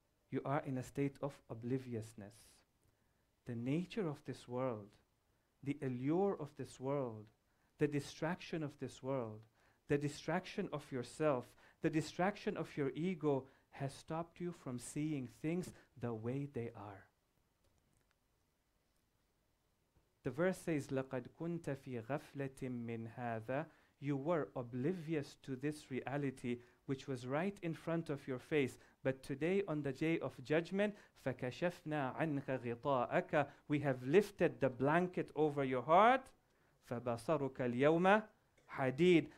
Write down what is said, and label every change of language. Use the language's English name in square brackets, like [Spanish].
[English] You are in a state of obliviousness. The nature of this world, the allure of this world, the distraction of this world, the distraction of yourself, the distraction of your ego has stopped you from seeing things the way they are. The verse says, [Arabic] لَقَدْ كُنْتَ فِي غَفْلَةٍ مِّنْ هَذَا. [English] You were oblivious to this reality which was right in front of your face. But today on the day of judgment, [Arabic] فَكَشَفْنَا عَنْكَ غِطَاءَكَ. [English] We have lifted the blanket over your heart. [Arabic] فَبَصَرُكَ الْيَوْمَ حَدِيدٌ.